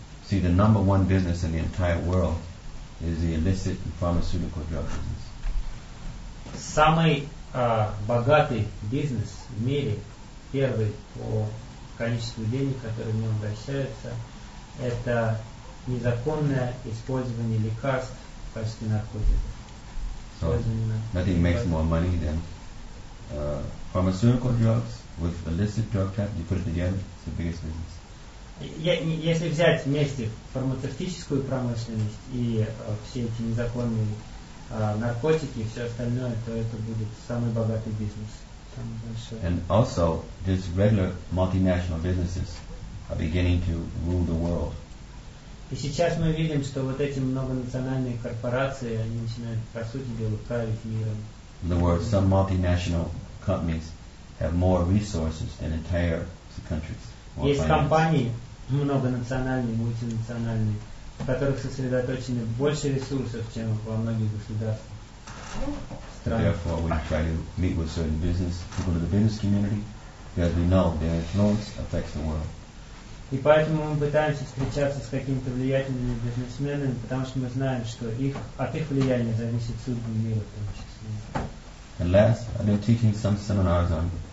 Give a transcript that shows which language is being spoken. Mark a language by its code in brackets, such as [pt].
[en] See, the number one business in the entire world is the illicit and pharmaceutical drug business. [ru] Самый богатый бизнес в мире, первый по количеству денег, которые в нем вращаются, это незаконное использование лекарств в качестве наркотиков. [en] So, nothing makes more money than pharmaceutical drugs with illicit drug traffic. You put it together, it's the biggest business. [ru] Если взять вместе фармацевтическую промышленность и все эти незаконные наркотики и все остальное, то это будет самый богатый бизнес, самый большой. [en] And also, these regular multinational businesses are beginning to rule the world. [ru] И сейчас мы видим, что вот эти многонациональные корпорации, они начинают, по сути дела, править миром. [en] In other words, some multinational companies have more resources than entire countries. [ru] Есть компании, многонациональные, мультинациональные, в которых сосредоточены больше ресурсов, чем во многих государствах. [en] Therefore, we try to meet with certain business people in the business community, because we know their influence affects the world. [ru] И поэтому мы пытаемся встречаться с какими-то влиятельными бизнесменами, потому что мы знаем, что от их влияния зависит судьба мира в том числе. [en] And last, I've been teaching some seminars on